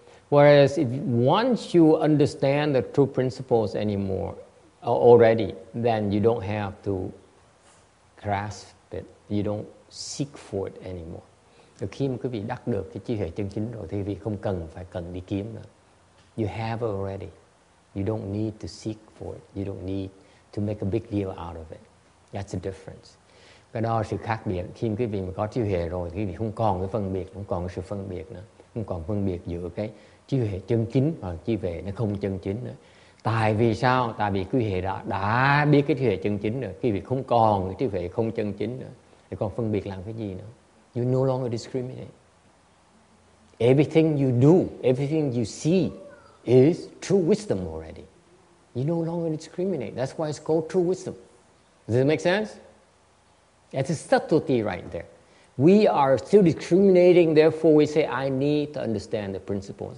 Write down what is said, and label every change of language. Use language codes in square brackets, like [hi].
[en] Whereas if once you understand the true principles anymore already, then you don't have to grasp it, you don't seek for it anymore. [vi] Thì khi mà quý vị đắc được cái trí huệ chân chính rồi thì quý vị không cần phải cần đi kiếm nữa. [en] You have it already, you don't need to seek for it, you don't need to make a big deal out of it. That's the difference. [vi] Cái đó là sự khác biệt. Khi quý vị mà có trí huệ rồi, quý vị không còn cái phân biệt, không còn cái sự phân biệt nữa. Không còn phân biệt giữa cái trí huệ chân chính và trí huệ nó không chân chính nữa. Tại vì sao? Tại vì quý vị đã biết cái trí huệ chân chính rồi. Quý vị không còn cái trí huệ không chân chính nữa. Thì còn phân biệt làm cái gì nữa? [en] You no longer discriminate. Everything you do, everything you see is true wisdom already. You no longer discriminate. That's why it's called true wisdom. Does it make sense? It's a subtlety right there. We are still discriminating, therefore we say, I need to understand the principles.